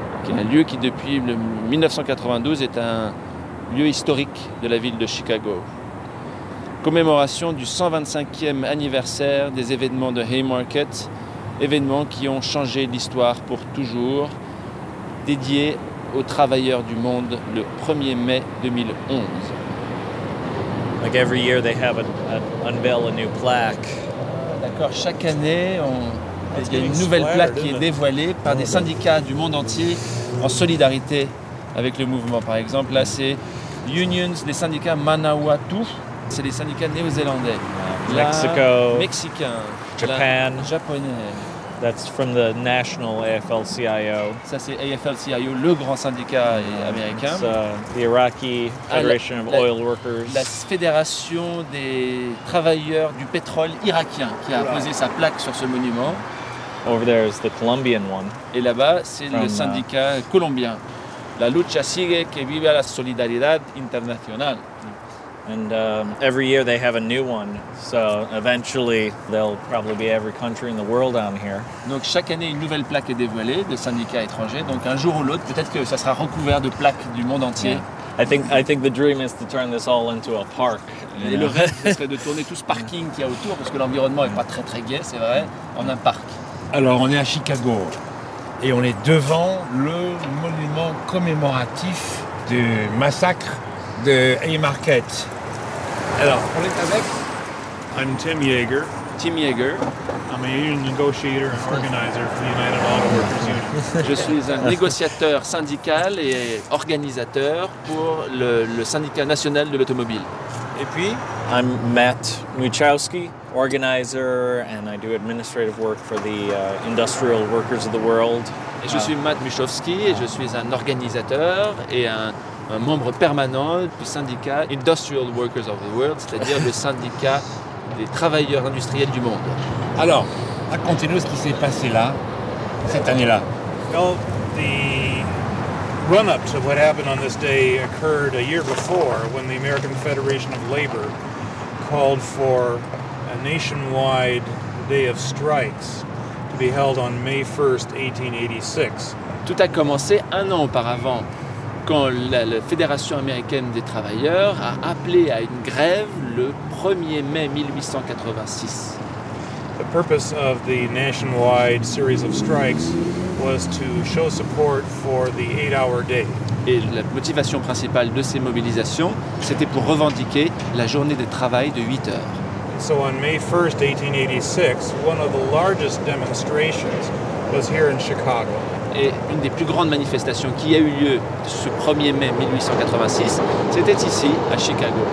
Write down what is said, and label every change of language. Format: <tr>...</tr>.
<fr>Un lieu qui, depuis 1992, est un lieu historique de la ville de Chicago. Commémoration du 125e anniversaire des événements de Haymarket, événements qui ont changé l'histoire pour toujours, dédié aux travailleurs du monde le 1er mai 2011.</fr> <en>Like every year they have unveil a new plaque.</en> <fr>D'accord, chaque année, il y a une nouvelle plaque qui est dévoilée par des syndicats du monde entier en solidarité avec le mouvement. Par exemple, là, c'est Unions, les syndicats Manawatu, c'est les syndicats néo-zélandais.</fr> <en>Mexico.</en> <fr>Mexicain.</fr> <en>Japan.</en> <fr>Japonais.</fr> <en>That's from the national AFL-CIO.</en> <fr>Ça, c'est AFL-CIO, le grand syndicat américain.</fr> <en>The Iraqi Federation of Oil Workers.</en> <fr>La fédération des travailleurs du pétrole irakien qui a posé sa plaque sur ce monument.</fr> <en>Over there is the Colombian one.</en> <fr>Et là-bas, c'est le syndicat colombien.</fr> <es>La lucha sigue que vive la solidaridad internacional.</es> <en>And every year they have a new one, so eventually they'll probably be every country in the world down here.</en> <fr>Donc chaque année une nouvelle plaque est dévoilée de syndicats étrangers. Donc un jour ou l'autre, peut-être que ça sera recouvert de plaques du monde entier.</fr> <en>Yeah. I think the dream is to turn this all into a park.</en> <fr>Et le rêve serait de tourner tout ce parking qu'il y a autour, parce que l'environnement est pas très très gai, c'est vrai, en un parc. Alors on est à Chicago et on est devant le monument commémoratif du massacre de Haymarket. Alors, on est avec...</fr> <en>I'm Tim Yeager. Tim Yeager. I'm a union negotiator and organizer for the United Auto Workers Union.</en> <fr>Je suis un négociateur syndical et organisateur pour le syndicat national de l'automobile. Et puis?</fr> <en>I'm Matt Muchowski, organizer, and I do administrative work for the Industrial Workers of the World.</en> <fr>Et je suis Matt Muchowski, et je suis un organisateur et un membre permanent du syndicat Industrial Workers of the World, c'est-à-dire le syndicat des travailleurs industriels du monde. Alors, racontez-nous ce qui s'est passé là, cette année-là.</fr> <en>Well, the run-up to what happened on this day occurred a year before when the American Federation of Labor called for a nationwide day of strikes to be held on May 1st, 1886.</en> <fr>Tout a commencé un an auparavant, quand la Fédération américaine des travailleurs a appelé à une grève le 1er mai 1886.</fr> <en>The purpose of the nationwide series of strikes was to show support for the 8-hour day.</en> <fr>Et la motivation principale de ces mobilisations, c'était pour revendiquer la journée de travail de 8 heures.</fr> <en>So on May 1st, 1886, one of the largest demonstrations was here in Chicago.</en> <fr>Et une des plus grandes manifestations qui a eu lieu ce 1er mai 1886, c'était ici, à Chicago.</fr>